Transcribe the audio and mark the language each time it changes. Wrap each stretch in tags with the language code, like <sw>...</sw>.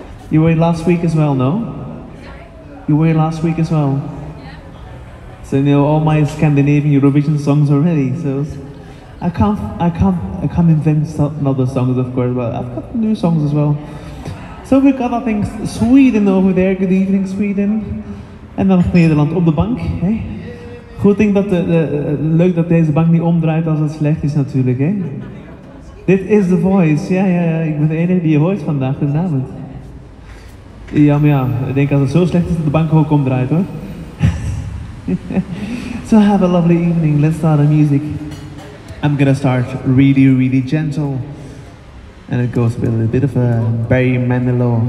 <en>You were last week as well, no? You were last week as well. So you know all my Scandinavian Eurovision songs already. So. I can't invent another songs, of course, but I've got new songs as well. So we've got, I think, Sweden over there. Good evening, Sweden. And then</en> <nl>Nederland op de bank. Hey. Goed ding dat leuk dat deze bank niet omdraait als het slecht is natuurlijk. Hey. Dit is The Voice. Ja, ja, ja. Ik ben de enige die je hoort vandaag. Goedenavond. Ja, maar ja. Ik denk als het zo slecht is dat de bank ook omdraait, hoor.</nl> <en>So have a lovely evening. Let's start the music. I'm gonna start really, really gentle, and it goes with a bit of a Barry Manilow.</en>